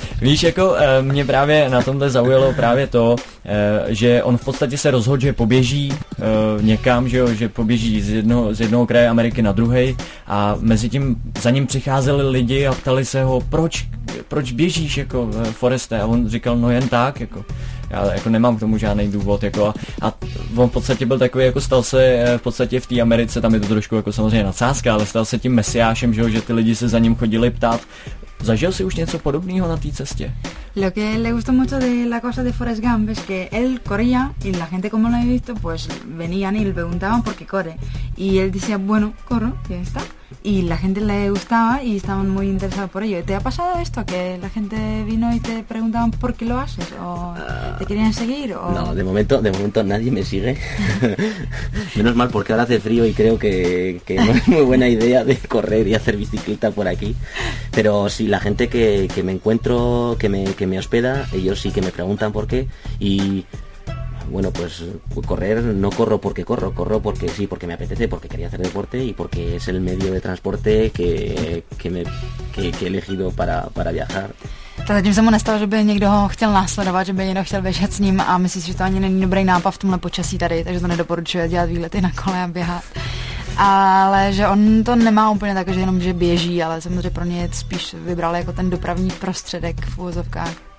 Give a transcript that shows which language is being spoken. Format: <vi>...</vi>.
<cs>Víš, jako mě právě na tomhle zaujalo právě to, že on v podstatě se rozhodl, že poběží někam, že jo, že poběží z jednoho kraje Ameriky na druhej, a mezi tím za ním přicházeli lidi a ptali se ho, proč běžíš jako Foreste, a on říkal, no jen tak, jako já jako nemám k tomu žádný důvod, jako a on v podstatě byl takový, jako stal se v podstatě v té Americe, tam je to trošku jako samozřejmě nadsázka, ale stal se tím mesiášem, že ty lidi se za ním chodili ptát. ¿Zajel si už něco podobného na té cestě?</cs> <es>Lo que le gustó mucho de la cosa de Forrest Gump es que él corría y la gente, como lo he visto, pues venían y le preguntaban por qué corre. Y él decía, bueno, corro, ya está. Y la gente le gustaba y estaban muy interesados por ello. ¿Te ha pasado esto? ¿Que la gente vino y te preguntaban por qué lo haces? ¿O te querían seguir? ¿O? No, de momento nadie me sigue. Menos mal, porque ahora hace frío y creo que no es muy buena idea de correr y hacer bicicleta por aquí. Pero sí, la gente que me encuentro, que me hospeda, ellos sí que me preguntan por qué. Y bueno, pues correr, no corro porque corro porque sí, porque me apetece, porque quería hacer deporte y porque es el medio de transporte que he elegido para viajar.</es> <cs>Tak zatím se mu nestalo, že by někdo ho chtěl následovat, že by někdo chtěl běžet s ním, a myslím si, že to ani není dobrý nápad v tomhle počasí tady, takže to nedoporučuje dělat výlety na kole a běhat. ale že on to nemá úplně tak, že jenom že běží, ale samozřejmě pro ně spíš vybral jako ten dopravní prostředek v uvozovkách.</cs>